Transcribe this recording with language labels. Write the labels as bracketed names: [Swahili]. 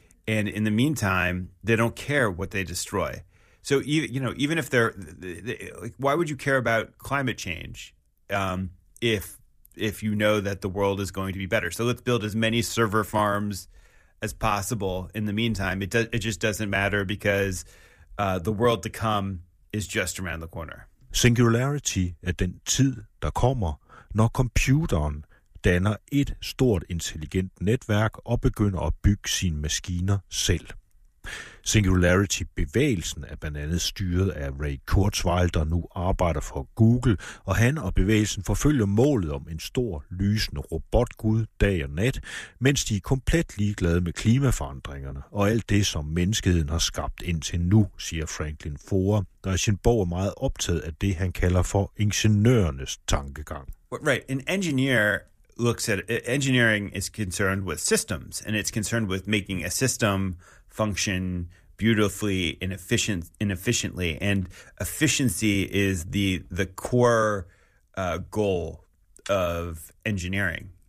[English] And in the meantime, they don't care what they destroy. So, you know, even if they're like, why would you care about climate change if you know that the world is going to be better? So let's build as many server farms as possible in the meantime. It just doesn't matter because the world to come is just around the corner. [Danish] Singularity er den tid, der kommer, når computeren danner et stort intelligent netværk og begynder at bygge sine maskiner selv. Singularity-bevægelsen er blandt andet styret af Ray Kurzweil, der nu arbejder for Google, og han og bevægelsen forfølger målet om en stor, lysende robotgud dag og nat, mens de er komplet ligeglade med klimaforandringerne og alt det, som menneskeheden har skabt indtil nu, siger Franklin Foer, der i sin bog er meget optaget af det, han kalder for ingeniørernes tankegang. [English] Right, an engineer looks at engineering is concerned with systems, and it's concerned with making a system function beautifully and efficiently. And efficiency is the core goal of engineering.